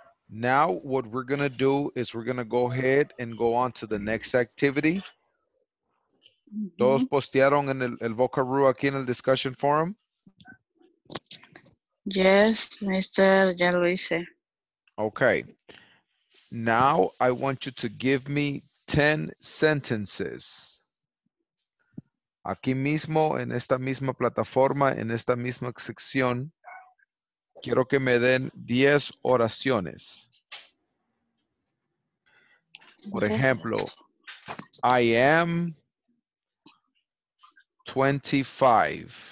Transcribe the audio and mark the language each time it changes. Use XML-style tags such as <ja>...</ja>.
<en>Now what we're going to do is we're going to go ahead and go on to the next activity.</en> <es>¿Todos postearon en el Vocaru aquí en el discussion forum? Yes, Mr. Ya lo hice.</es> <en>Okay. Now I want you to give me 10 sentences.</en> <es>Aquí mismo, en esta misma plataforma, en esta misma sección, quiero que me den 10 oraciones. Por ejemplo,</es> <en>I am 25.</en>